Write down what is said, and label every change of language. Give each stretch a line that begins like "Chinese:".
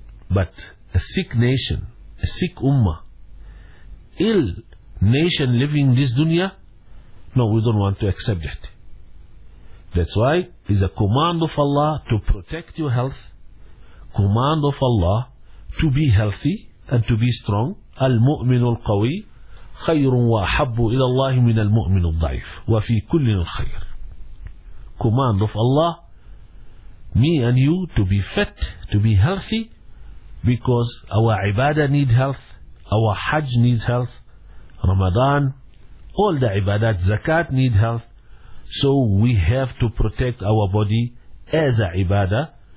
English: But a sick nation, a sick ummah, ill nation living this dunya, no, we don't want to accept it. That's why it's a command of Allah to protect your health, command of Allah to be healthy and to be strong.
Arabic: المؤمن القوي خير وحب إلى الله من المؤمن الضعيف وفي كل الخير.
English: Command of Allah, me and you, to be fit, to be healthy, because our ibadah need health, our hajj needs health, Ramadan, all the ibadat, zakat need health. So we have to protect our body as a ibadah.